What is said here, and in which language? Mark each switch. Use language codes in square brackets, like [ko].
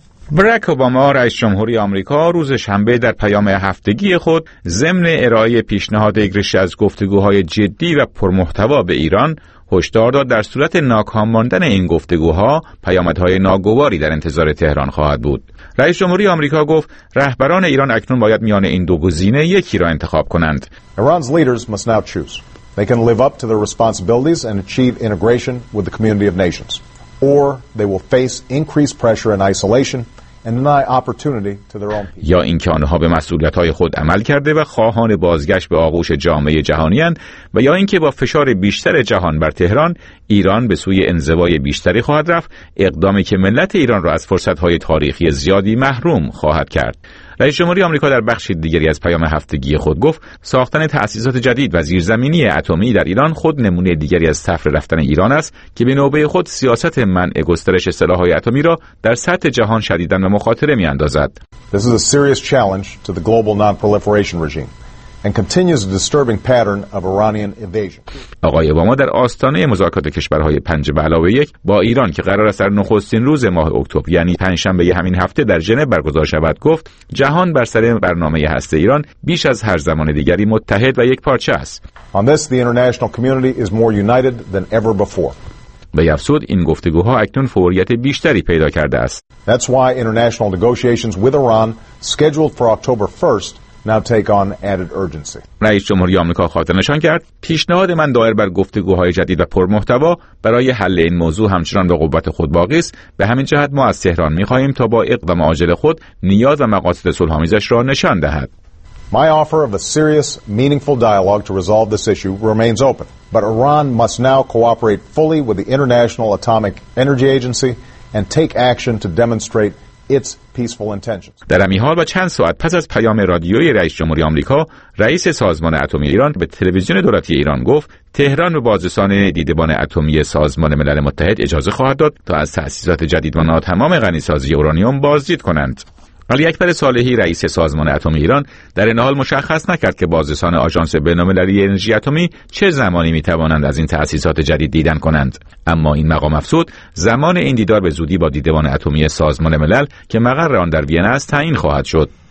[fa] براک اوباما، رئیس جمهوری آمریکا، روز شنبه در پیام هفتگی خود ضمن ارائه پیشنهاد ایگرشی از گفتگوهای جدی و پرمحتوا به ایران هشدار داد در صورت ناکام ماندن این گفتگوها پیامدهای ناگواری در انتظار تهران خواهد بود. رئیس جمهوری آمریکا گفت رهبران ایران اکنون باید میان این دو گزینه یکی را انتخاب کنند. [en] ایران's leaders must now choose. They can live up to their responsibilities and achieve integration with the community of nations, or they will face increased pressure and isolation and deny opportunity to their own people. [fa] یا اینکه آنها به مسئولیت‌های خود عمل کرده و خواهان بازگشت به آغوش جامعه جهانی اند، و یا اینکه با فشار بیشتر جهان بر تهران، ایران به سوی انزوای بیشتری خواهد رفت، اقدامی که ملت ایران را از فرصت‌های تاریخی زیادی محروم خواهد کرد. رئیس جمهوری آمریکا در بخش دیگری از پیام هفتگی خود گفت ساختن تأسیسات جدید و زیرزمینی اتمی در ایران خود نمونه دیگری از طفره رفتن ایران است که به نوبه خود سیاست منع گسترش سلاح‌های اتمی را در سطح جهان شدیداً به مخاطره می‌اندازد. [en] This is a serious challenge to the global non-proliferation regime and continues the disturbing pattern of Iranian invasion. [fa] آقای اوباما در آستانه مذاکرات کشورهای 5 به علاوه 1 با ایران که قرار است در نخستین روز ماه اکتبر یعنی پنجشنبه همین هفته در ژنو برگزار شود گفت جهان بر سر برنامه هسته ایران بیش از هر زمان دیگری متحد و یک پارچه است. [en] On this, the international community is more united than ever before. [fa] به افسود این گفتگوها اکنون فوریت بیشتری پیدا کرده است. [en] That's why international negotiations with Iran scheduled for October 1st now take on added urgency. [fa] رئیس جمهوری آمریکا خاطر نشان کرد پیشنهاد من دایر بر گفتگوهای جدید و پرمحتوا برای حل این موضوع همچنان به قوت خود باقی است. به همین جهت ما از تهران می‌خواهیم تا با اقدام عاجل خود نیاز و مقاصد صلح‌آمیزش را نشان دهد. [en] My offer of a serious meaningful dialogue to resolve this issue remains open, but Iran must now cooperate fully with the International Atomic Energy Agency and take action to demonstrate its peaceful intentions. [fa] در همین حال و چند ساعت پس از پیام رادیویی رئیس جمهوری آمریکا، رئیس سازمان اتمی ایران به تلویزیون دولتی ایران گفت تهران به بازرسان دیدبان اتمی سازمان ملل متحد اجازه خواهد داد تا از تأسیسات جدید و ناتمام غنی‌سازی اورانیوم بازدید کنند. علی اکبر صالحی، رئیس سازمان اتمی ایران، در این حال مشخص نکرد که بازرسان آژانس بین‌المللی انرژی اتمی چه زمانی می‌توانند از این تأسیسات جدید دیدن کنند، اما این مقام افزود زمان این دیدار به زودی با دیدبان اتمی سازمان ملل که مقر آن در وین است تعیین خواهد شد.